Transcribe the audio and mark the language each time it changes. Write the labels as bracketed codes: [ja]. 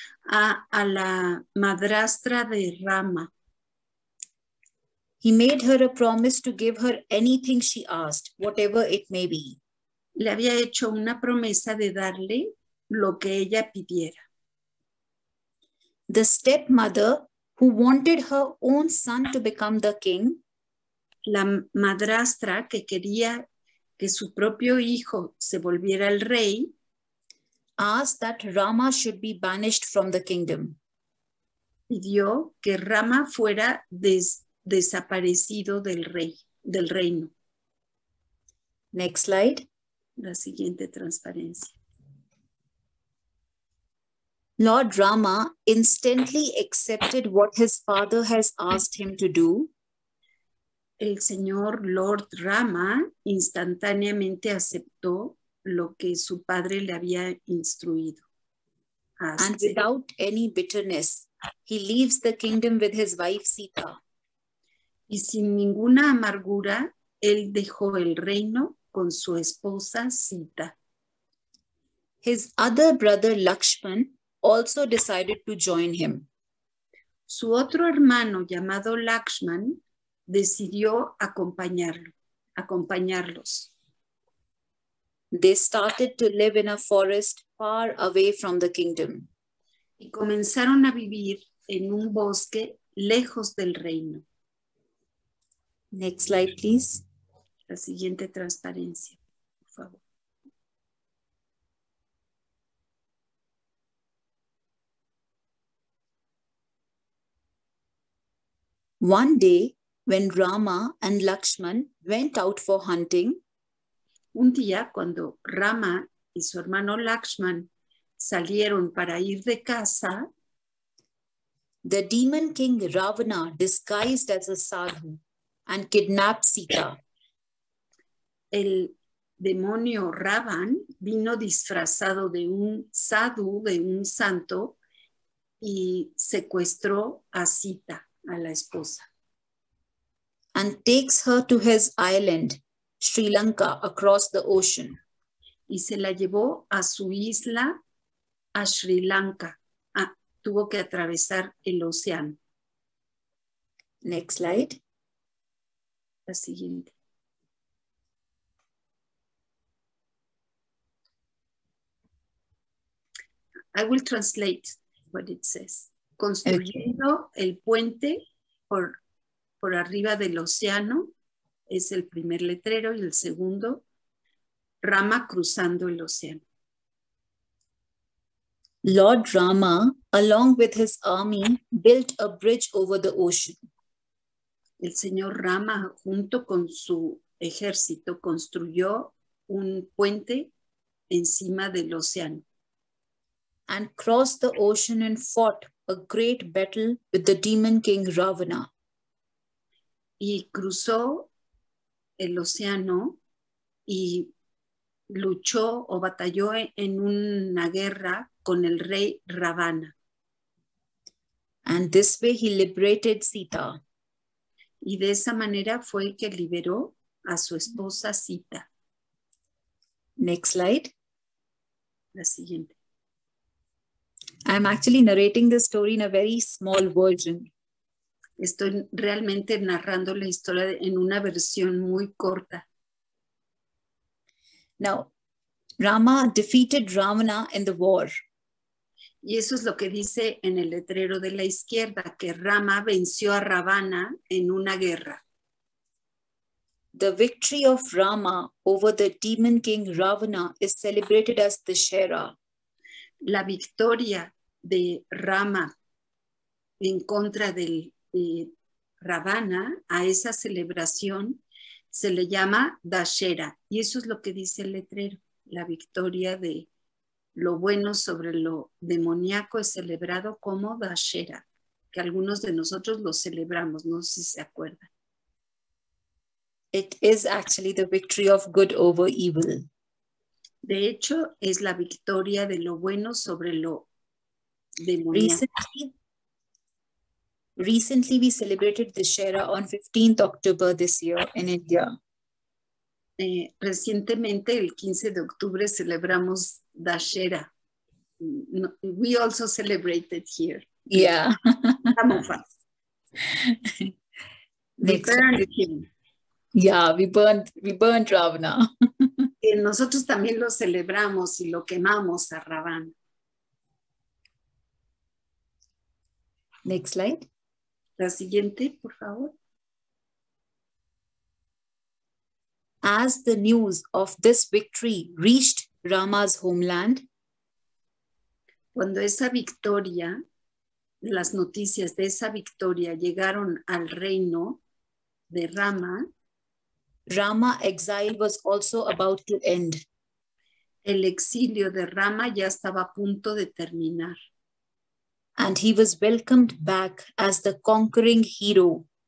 [es] A la madrastra de Rama. [en] He made her a promise to give her anything she asked, whatever it may be. [es] Le había hecho una promesa de darle lo que ella pidiera. [en] The stepmother, who wanted her own son to become the king. [es] La madrastra, que quería que su propio hijo se volviera el rey, [en] asked that Rama should be banished from the kingdom. [es] Pidió que Rama fuera desaparecido del rey, del reino. [en] Next slide. [es] La siguiente transparencia. [en] Lord Rama instantly accepted what his father has asked him to do. [es] el señor Lord Rama instantáneamente aceptó lo que su padre le había instruido. [en] And without any bitterness, he leaves the kingdom with his wife Sita. [es] Y sin ninguna amargura, él dejó el reino con su esposa Sita. [en] His other brother Lakshman also decided to join him. [es] Su otro hermano llamado Lakshman decidió acompañarlos. [en] They started to live in a forest far away from the kingdom. [es] Y comenzaron a vivir en un bosque lejos del reino. [en] Next slide, please. [es] La siguiente transparencia, por favor. [en] One day, when Rama and Lakshman went out for hunting, [es] un día cuando Rama y su hermano Lakshman salieron para ir de caza, [en] the demon king Ravana disguised as a sadhu and kidnapped Sita. [es] El demonio Ravan vino disfrazado de un sadhu, de un santo, y secuestró a Sita, a la esposa. [en] And takes her to his island, Sri Lanka, across the ocean. [es] Y se la llevó a su isla, a Sri Lanka. Tuvo que atravesar el océano. [en] Next slide. [es] La siguiente. [en] I will translate what it says. [es] Construyendo el puente por arriba del océano es el primer letrero y el segundo, Rama cruzando el océano. [en] Lord Rama, along with his army, built a bridge over the ocean. [es] El señor Rama, junto con su ejército, construyó un puente encima del océano. [en] And crossed the ocean and fought a great battle with the demon king Ravana. [es] Y cruzó el océano y luchó o batalló en una guerra con el rey Ravana. [en] And this way he liberated Sita. [es] Y de esa manera fue que liberó a su esposa Sita. [en] Next slide. [es] La siguiente. [en] I'm actually narrating the story in a very small version. [es] Estoy realmente narrando la historia en una versión muy corta. [en] Now, Rama defeated Ravana in the war. [es] Y eso es lo que dice en el letrero de la izquierda, que Rama venció a Ravana en una guerra. [en] The victory of Rama over the demon king Ravana is celebrated as Dashera. [es] La victoria de Rama en contra del Ravana, a esa celebración se le llama Dashera. Y eso es lo que dice el letrero. La victoria de lo bueno sobre lo demoníaco es celebrado como Dashera, que algunos de nosotros lo celebramos, no sé si se acuerdan. [en] It is actually the victory of good over evil. [es] De hecho, es la victoria de lo bueno sobre lo demoníaco. [en] Recently we celebrated Dashera on 15th October this year in India. [es] Recientemente, el 15 de octubre, celebramos Dashera. [en] No, we also celebrated here. Yeah. [es] Estamos fast. [en] We burned Ravana. [es] Nosotros también lo celebramos y lo quemamos a Ravana. [en] Next slide. [es] La siguiente, por favor. [en] As the news of this victory reached Rama's homeland, [es] cuando esa victoria, las noticias de esa victoria llegaron al reino de Rama, [en] Rama's exile was also about to end. [es] El exilio de Rama ya estaba a punto de terminar. [en] And he was welcomed back as the conquering hero.